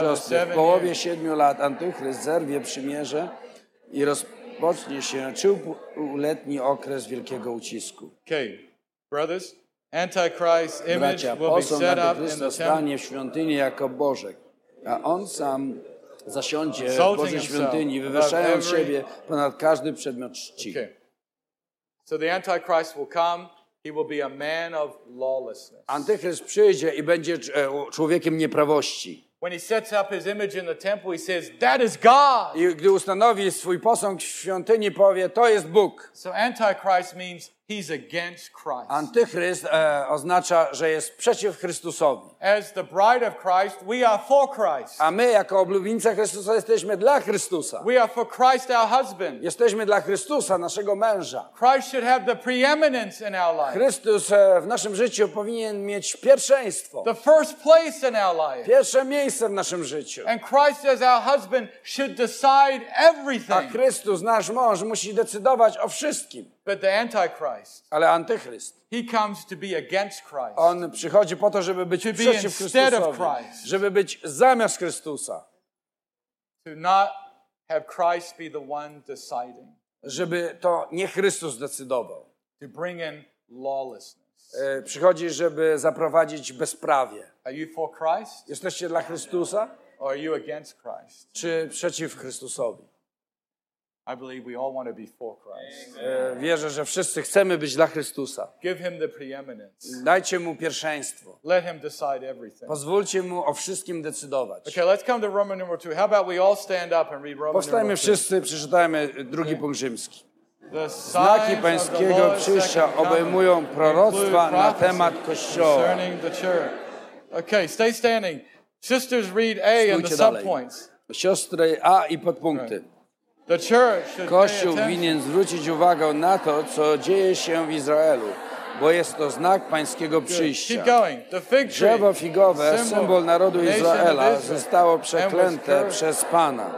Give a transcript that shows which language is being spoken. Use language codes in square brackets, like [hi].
[pl] siostry, w połowie 7 lat Antychryst zerwie przymierze i rozpocznie się 3-letni okres wielkiego ucisku. [en] Okay, brothers, Antichrist image [pl] posąg Antychrysta stanie w świątyni jako Bożek, a on sam zasiądzie w Bożej świątyni, wywyższając siebie ponad każdy przedmiot czci. [en] Okay. So the Antichrist will come. He will be a man of lawlessness. [pl] Antychryst przyjdzie i będzie człowiekiem nieprawości. [en] When he sets up his image in the temple, he says, "That is God." [pl] I gdy ustanowi swój posąg w świątyni, powie, to jest Bóg. [en] So Antichrist means he's against Christ. [pl] Antychryst oznacza, że jest przeciw Chrystusowi. [en] As the bride of Christ, we are for Christ. [pl] A my jako oblubieńca Chrystusa jesteśmy dla Chrystusa. [en] We are for Christ, our husband. [pl] Jesteśmy dla Chrystusa, naszego męża. [en] Christ should have the preeminence in our life. [pl] Chrystus w naszym życiu powinien mieć pierwszeństwo. [en] The first place in our life. [pl] Pierwsze miejsce w naszym życiu. [en] And Christ as our husband should decide everything. [pl] A Chrystus, nasz mąż, musi decydować o wszystkim. [en] But the Antichrist. [pl] Ale Antychryst. [en] He comes to be against Christ. [pl] On przychodzi po to, żeby być przeciw Chrystusowi, żeby być zamiast Chrystusa. [en] To not have Christ be the one deciding. [pl] Żeby to nie Chrystus decydował. [en] To bring in lawlessness. [pl] Przychodzi, żeby zaprowadzić bezprawie. [en] Are you for Christ? [pl] Jesteście dla Chrystusa? [en] Or are you against Christ? [pl] Czy przeciw Chrystusowi? [en] I believe we all want to be for Christ. [pl] Wierzę, że wszyscy chcemy być dla Chrystusa. [en] Give him the preeminence. [pl] Dajcie mu pierwszeństwo. [en] Let him decide everything. [pl] Pozwólcie mu o wszystkim decydować. [en] Okay, let's come to Roman number 2. How about we all stand up and read Roman number 2? [pl] Powstajmy wszyscy, przeczytajmy drugi punkt rzymski. The Znaki Pańskiego Przyjścia obejmują proroctwa na temat Kościoła. [en] Concerning the church. Okay, stay standing. Sisters, read A and the subpoints. [pl] Siostry A i podpunkty. Okay. [en] The church should [pl] Kościół winien zwrócić uwagę na to, co dzieje się w Izraelu, bo jest to znak Pańskiego przyjścia. [en] Keep going. The fig tree, [pl] drzewo figowe, symbol narodu Izraela, zostało przeklęte przez Pana.